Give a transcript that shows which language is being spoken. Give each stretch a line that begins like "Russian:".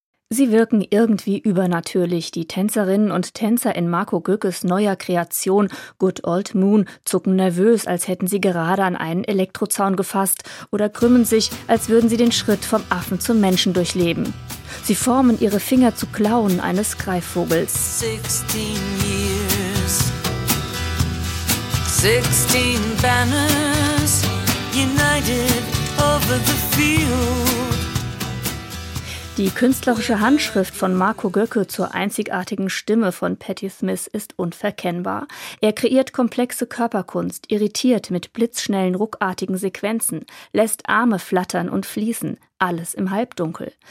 German: Sie wirken irgendwie übernatürlich. Die Tänzerinnen und Tänzer in Marco Goeckes neuer Kreation Good Old Moon zucken nervös, als hätten sie gerade an einen Elektrozaun gefasst, oder krümmen sich, als würden sie den Schritt vom Affen zum Menschen durchleben. Sie formen ihre Finger zu Klauen eines Greifvogels.
English: 16 years, 16 banners united over the field.
German: Die künstlerische Handschrift von Marco Goecke zur einzigartigen Stimme von Patti Smith ist unverkennbar. Er kreiert komplexe Körperkunst, irritiert mit blitzschnellen, ruckartigen Sequenzen, lässt Arme flattern und fließen, alles im Halbdunkel.